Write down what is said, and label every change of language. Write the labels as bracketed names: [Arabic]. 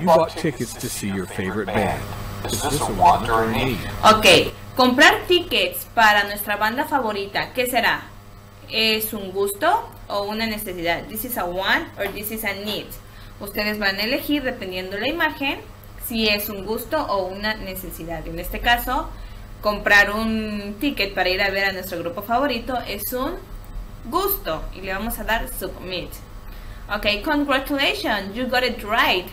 [English] You bought tickets to see your favorite band. Is this a want or a need? [Spanish] Ok, comprar tickets para nuestra banda favorita, ¿qué será? ¿Es un gusto o una necesidad? [English] This is a want or this is a need. [Spanish] Ustedes van a elegir, dependiendo la imagen, si es un gusto o una necesidad. En este caso, comprar un ticket para ir a ver a nuestro grupo favorito es un gusto. Y le vamos a dar submit. [English] Ok, congratulations, you got it right.